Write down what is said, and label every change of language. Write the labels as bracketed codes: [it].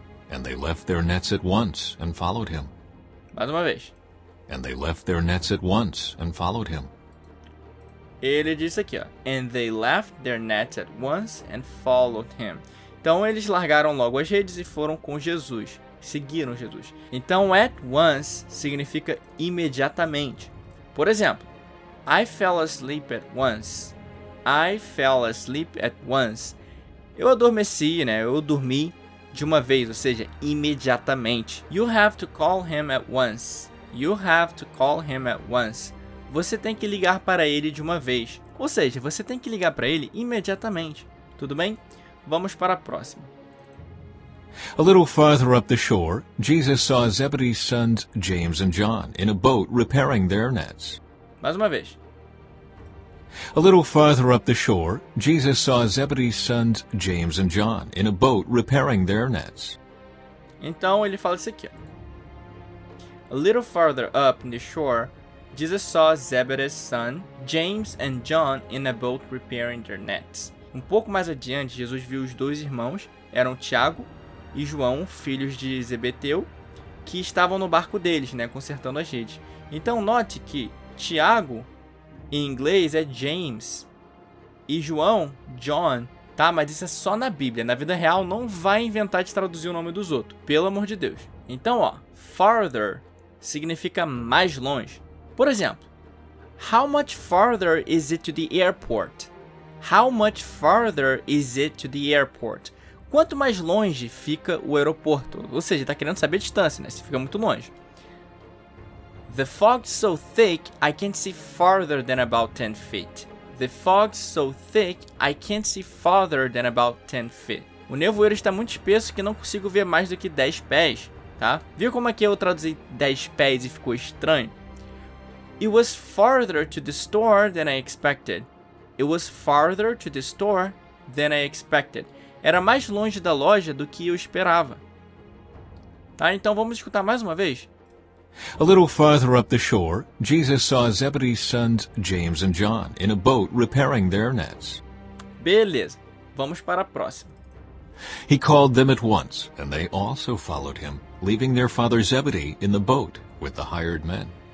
[en] And they left their nets at once and followed him. [pt] Mais uma vez. [en] And they left their nets at once and followed him. [pt] Ele disse aqui, ó, [en] and they left their nets at once and followed him. [pt] Então eles largaram logo as redes e foram com Jesus, seguiram Jesus. Então at once significa imediatamente. Por exemplo, [en] I fell asleep at once. I fell asleep at once. [pt] Eu adormeci, né? Eu dormi de uma vez, ou seja, imediatamente. [en] You have to call him at once. You have to call him at once. [pt] Você tem que ligar para ele de uma vez. Ou seja, você tem que ligar para ele imediatamente. Tudo bem? Vamos para a próxima. [en] A little farther up the shore, Jesus saw Zebedee's sons James and John in a boat repairing their nets. [pt] Mais uma vez. [en] A little farther up the shore, Jesus saw Zebedee's sons James and John in a boat repairing their nets. [pt] Então ele fala isso aqui. [en] A little farther up in the shore, Jesus saw Zebedee's son, James and John, in a boat repairing their nets. [pt] Um pouco mais adiante, Jesus viu os dois irmãos, eram Tiago e João, filhos de Zebedeu, que estavam no barco deles, né, consertando as redes. Então, note que Tiago, em inglês, é James, e João, John, tá? Mas isso é só na Bíblia. Na vida real, não vai inventar de traduzir o nome dos outros, pelo amor de Deus. Então, ó, farther significa mais longe. Por exemplo, [en] how much farther is it to the airport? How much farther is it to the airport? [pt] Quanto mais longe fica o aeroporto? Ou seja, tá querendo saber a distância, né? Se fica muito longe. [en] The fog's so thick, I can't see farther than about 10 feet. The fog's so thick, I can't see farther than about 10 feet. [pt] O nevoeiro está muito espesso que não consigo ver mais do que 10 pés, tá? Viu como aqui eu traduzi 10 pés e ficou estranho? [en] It was farther to the store than I expected. It was farther to the store than I expected. [pt] Era mais longe da loja do que eu esperava. Tá, então vamos escutar mais uma vez. [en] A little farther up the shore, Jesus saw Zebedee's sons James and John in a boat repairing their nets. [pt] Beleza, vamos para a próxima. [en] He called them at once, and they also followed him, leaving their father Zebedee in the boat with the hired men.